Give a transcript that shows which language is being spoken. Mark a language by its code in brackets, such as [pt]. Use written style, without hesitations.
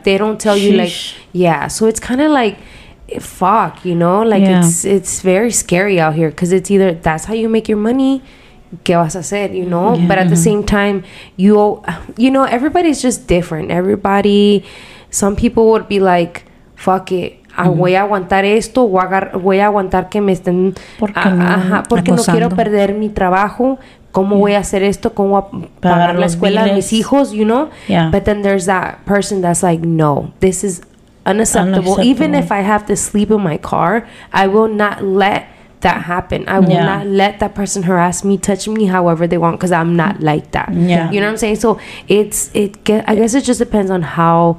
[en] They don't tell you, like, so it's kind of like, fuck, you know? Like, it's very scary out here, because it's either that's how you make your money, [es] ¿qué vas a hacer? [en] You know? Yeah. But at the same time, you know, everybody's just different. Everybody, some people would be like, fuck it. [es] Voy a aguantar esto, voy a aguantar que me estén... Porque no quiero perder mi trabajo. ¿Cómo voy a hacer esto? ¿Cómo voy a pagar la escuela a mis hijos? [en] You know? Yeah. But then there's that person that's like, no, this is unacceptable. Even if I have to sleep in my car, I will not let that happen. I will not let that person harass me, touch me however they want, because I'm not like that. Yeah. You know what I'm saying? So I guess it just depends on how